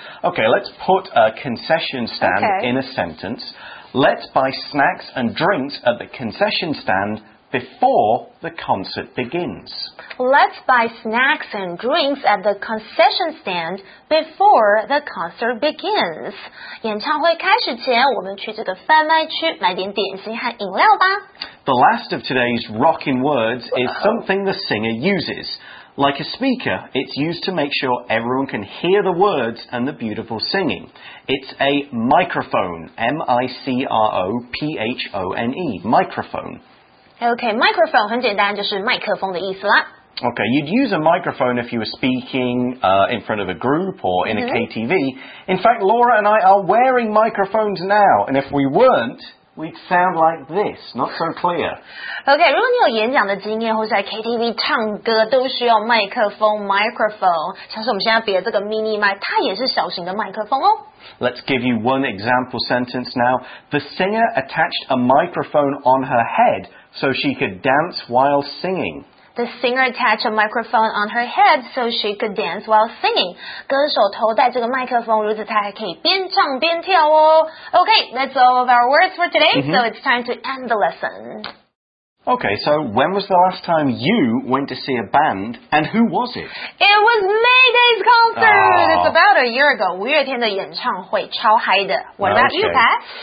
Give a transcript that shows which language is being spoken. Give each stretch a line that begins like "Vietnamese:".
English: Okay, let's put a concession stand in a sentence. Let's buy snacks and drinks at the concession stand before the concert begins. Let's buy snacks and drinks at the concession stand before the concert begins.
Chinese: 演唱会开始前，我们去这个贩卖区买点点心和饮料吧。
English: The last of today's rocking words is something the singer uses. Like a speaker, it's used to make sure everyone can hear the words and the beautiful singing. It's a microphone, M-I-C-R-O-P-H-O-N-E, microphone.
Chinese: Okay, microphone 很简单，就是麦克风的意思啦。
English: Okay, you'd use a microphone if you were speaking in front of a group or in a KTV. In fact, Laura and I are wearing microphones now, and if we weren't, we'd sound like this, not so clear.
Chinese: Okay, 如果你有演讲的经验，或是在 KTV 唱歌，都需要麦克风 microphone。像是我们现在别的这个 mini mic， 它也是小型的麦克风哦。
English: Let's give you one example sentence now. The singer attached a microphone on her head so she could dance while singing. The singer attached a microphone on her head so she could dance while singing.
Chinese: 歌手头戴这个麦克风，如此她还可以边唱边跳哦。
English: Okay, that's all of our words for today, so it's time to end the lesson. Okay, so when was the last time you went to see a band, and who was it? It was May Day's concert! It's about a year ago,
Chinese: 五月天的演唱会，超嗨的。
English: What about you, Pat?